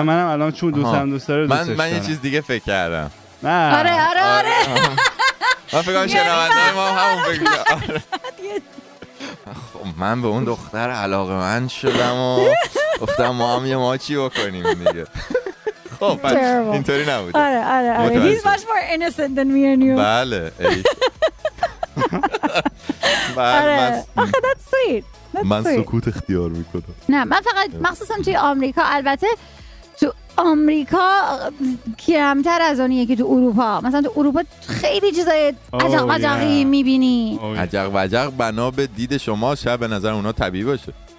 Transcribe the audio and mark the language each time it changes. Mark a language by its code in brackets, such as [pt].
[fa] و منم الان چون دوستم داره دوستش دارم. من یه چیز دیگه فکر کردم. نه آره من فکر کنم شنوانده ما همون فکر کنم. خب من به اون دختر علاقه من شدم و گفتم ما هم یه ماچی بکنیم دیگه. خب اینطوری نبوده. [en] آره he's much more innocent than me and you. [fa] بله [en] آخه that's sweet. [fa] من سکوت اختیار میکنم. نه من فقط مخصوصا توی آمریکا، البته تو آمریکا کمتر از اونیه که تو اروپا. مثلا تو اروپا خیلی چیزای عجق وجقی میبینی. عجق وجق بنا به دید شما شاید به نظر اونا طبیعی باشه.